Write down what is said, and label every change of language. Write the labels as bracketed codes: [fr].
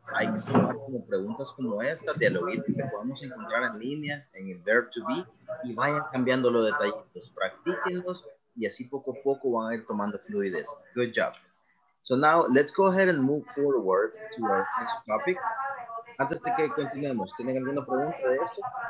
[es] Hay que tomar como preguntas como estas, dialoguitas que podamos encontrar en línea, en el verb to be, y vayan cambiando los detallitos. Practíquenlos, y así poco a poco van a ir tomando fluidez. [en] Good job. So now, let's go ahead and move forward to our next topic. [es] Antes de que continuemos, ¿tienen alguna pregunta de esto?